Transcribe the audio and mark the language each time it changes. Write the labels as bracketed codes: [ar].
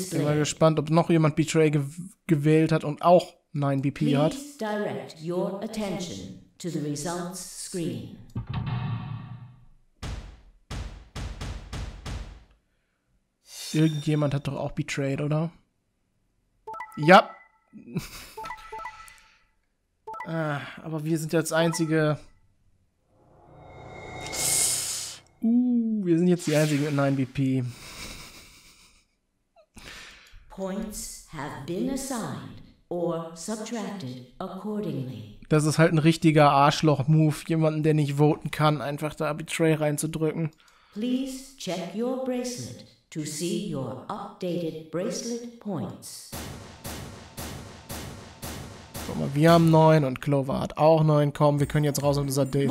[de] Ich bin mal gespannt, ob noch jemand Betray gewählt hat und auch 9 BP hat. [en] Please direct your attention to the results screen. [de] Irgendjemand hat doch auch betrayed, oder? Ja, Aber wir sind jetzt einzige. Wir sind jetzt die einzige in 9BP. [en] Points have been assigned or subtracted accordingly. [de] Das ist halt ein richtiger Arschloch-Move, jemanden, der nicht voten kann, einfach da Betray reinzudrücken. [en] Please check your bracelet to see your updated bracelet points. [de] Guck mal, wir haben 9 und Clover hat auch 9. Komm, wir können jetzt raus auf unser Date.